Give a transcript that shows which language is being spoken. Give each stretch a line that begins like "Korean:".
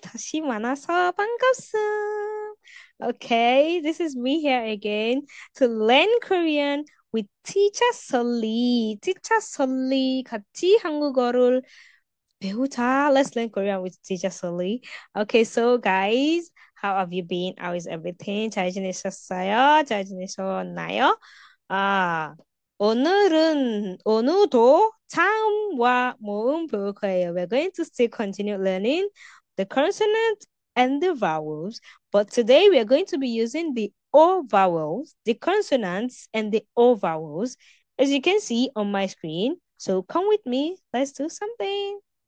Korean: 다시 만나서 반갑습니다.
English: Okay, this is me here again to learn Korean. With Teacher Sully, Teacher Sully,
Korean: 같이 한국어를 배우자.
English: Let's learn Korean with Teacher Sully. Okay, so guys, how have you been? How is everything?
Korean: 잘 지내셨어요? 잘 지내셨나요? 아, 오늘은 오늘도 자음과 모음 배울 거예요.
English: We're going to still continue learning the consonant and the vowels, but today we are going to be using the O vowels, the consonants, and the O vowels, as you can see on my screen. So come with me. Let's do something.